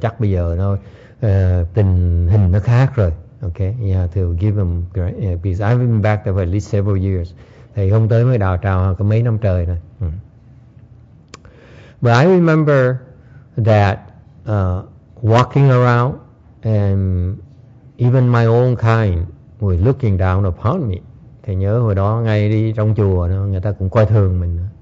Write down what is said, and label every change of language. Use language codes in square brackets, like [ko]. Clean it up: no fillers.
[vi] Chắc bây giờ nó tình hình nó khác rồi. [en] Okay. Yeah. To give them, because I've been back there for at least several years. [vi] Thầy không tới mới đào trào có mấy năm trời rồi. [en] But I remember that walking around and even my own kind were looking down upon me. [vi] Thầy nhớ hồi đó ngay đi trong chùa đó, người ta cũng coi thường mình.